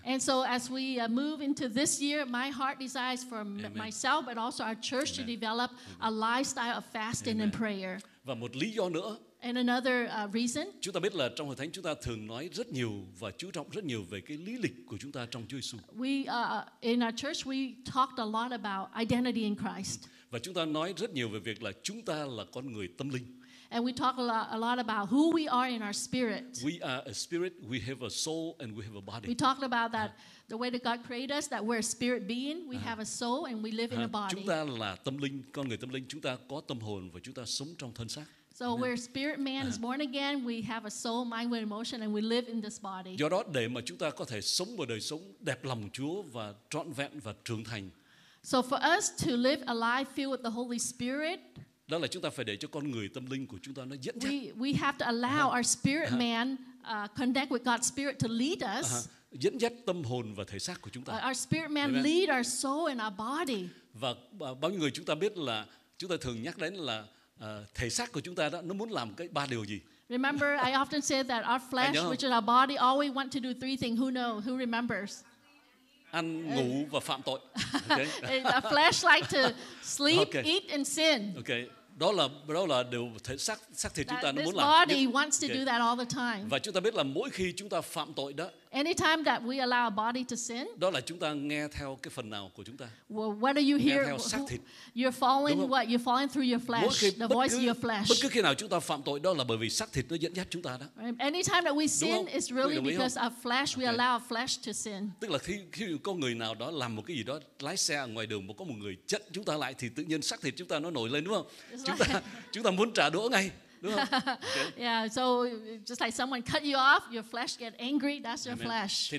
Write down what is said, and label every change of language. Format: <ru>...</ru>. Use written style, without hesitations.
<en>And so as we move into this year, my heart desires for myself but also our church to develop a lifestyle of fasting and prayer.</en> <vi>Và một lý do nữa.</vi> <en>And another reason.</en> <vi>Chúng ta biết là trong hội thánh chúng ta thường nói rất nhiều và chú trọng rất nhiều về cái lý lịch của chúng ta trong Chúa Giêsu.</vi> <en>In our church we talked a lot about identity in Christ.</en> <vi>Và chúng ta nói rất nhiều về việc là chúng ta là con người tâm linh.</vi> <en>And we talk a lot about who we are in our spirit. We are a spirit, we have a soul, and we have a body. We talked about that, the way that God created us, that we're a spirit being, we have a soul, and we live in a body.</en> <vi>Chúng ta là tâm linh, con người tâm linh, chúng ta có tâm hồn và chúng ta sống trong thân xác.</vi> <en>So we're a spirit man, is born again, we have a soul, mind, will, emotion, and we live in this body.</en> <vi>Do đó để mà chúng ta có thể sống một đời sống đẹp lòng Chúa và trọn vẹn và trưởng thành.</vi> <en>So for us to live a life filled with the Holy Spirit,</en> <vi>đó là chúng ta phải để cho con người tâm linh của chúng ta nó dẫn dắt.</vi> <en>We have to allow our spirit man connect with God's spirit to lead us.</en> <vi>Dẫn dắt tâm hồn và thể xác của chúng ta.</vi> <en>Our spirit man lead our soul and our body.</en> <vi>Và bao nhiêu người chúng ta biết là chúng ta thường nhắc đến là thể xác của chúng ta đó nó muốn làm cái ba điều gì?</vi> <en>Remember, I often say that our flesh, which is our body, always want to do three things. Who knows? Who remembers?</en> <vi>Ăn, ngủ và phạm tội.</vi> <en>The flesh like to sleep, eat and sin. Okay.</en> <vi>Đó là điều thể xác xác thịt chúng ta nó muốn làm.</vi> <en>Body wants to do that all the time.</en> <vi>Và chúng ta biết là mỗi khi chúng ta phạm tội đó.</vi> <en>Anytime that we allow our body to sin.</en> <vi>Đó là chúng ta nghe theo cái phần nào của chúng ta.</vi> <en>Well, what are you hear?</en> <vi>Nghe theo xác thịt.</vi> <en>You're following what? You're following through your flesh. The voice of your flesh.</en> <vi>Bất cứ khi nào chúng ta phạm tội đó là bởi vì xác thịt nó dẫn dắt chúng ta đó.</vi> <en>Anytime that we sin is really because our flesh, we allow our flesh to sin.</en> <vi>Tức là khi có người nào đó làm một cái gì đó lái xe ngoài đường mà có một người chặn chúng ta lại thì tự nhiên xác thịt chúng ta nó nổi lên đúng không? Chúng ta muốn trả đũa ngay.</vi> <en>Yeah, so just like someone cut you off, your flesh get angry, that's your flesh.</en>